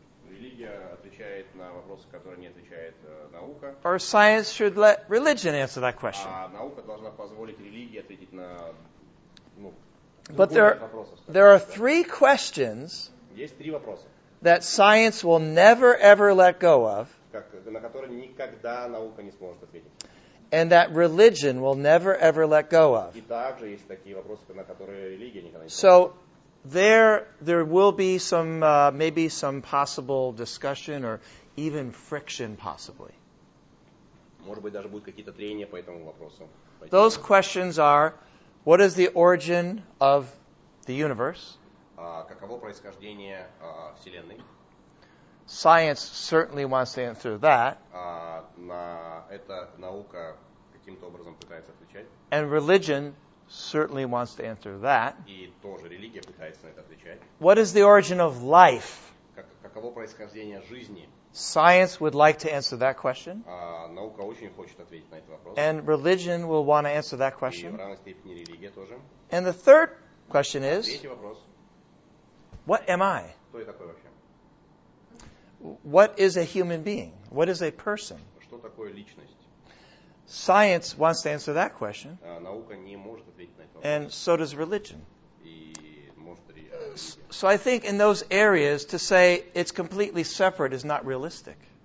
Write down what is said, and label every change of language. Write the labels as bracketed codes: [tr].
[ru] религия отвечает на вопросы, которые не отвечает наука, [en] or science should let religion answer that question. [ru] А наука должна позволить религии ответить на, ну, [en] but there are three questions that science will never ever let go of, [ru] на которые никогда наука не сможет ответить, [en] and that religion will never ever let go of. [ru] И также есть такие вопросы, на которые религия никогда не сможет. [en] So there will be some maybe some possible discussion or even friction possibly. [ru] Может быть, даже будут какие-то трения по этому вопросу. [en] Those questions are: what is the origin of the universe? [ru] Каково происхождение Вселенной? [en] Science certainly wants to answer that. [ru] На это наука каким-то образом пытается отвечать. [en] And religion certainly wants to answer that. [ru] И тоже религия пытается на это отвечать. [en] What is the origin of life? [ru] Каково происхождение жизни? [en] Science would like to answer that question. [ru] Наука очень хочет ответить на этот вопрос. [en] And religion will want to answer that question. [ru] И в равной степени религия тоже. [en] And the third question is, [ru] третий вопрос. [en] What am I? What is a human being? What is a person? [ru] Что такое личность? [en] Science wants to answer that question. [ru] Наука не может ответить на этот вопрос. [en] And so does religion. [ru] И может ли, [en] So I think in those areas, to say it's completely separate is not realistic.